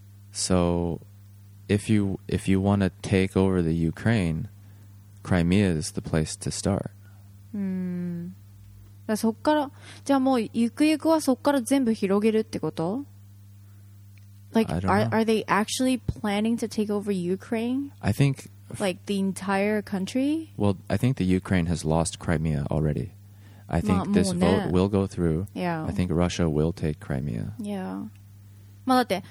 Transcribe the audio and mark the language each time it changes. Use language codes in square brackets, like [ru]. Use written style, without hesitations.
[en] So, if you want to take over the Ukraine, Crimea is the place to start. [ja] だからそっから、じゃあもうゆくゆくはそっから全部広げるってこと？ [en] Like, are they actually planning to take over Ukraine? I think, like the entire country. Well, I think the Ukraine has lost Crimea already. I think this vote will go through. Yeah. I think Russia will take Crimea. Yeah. [ja] まあだって、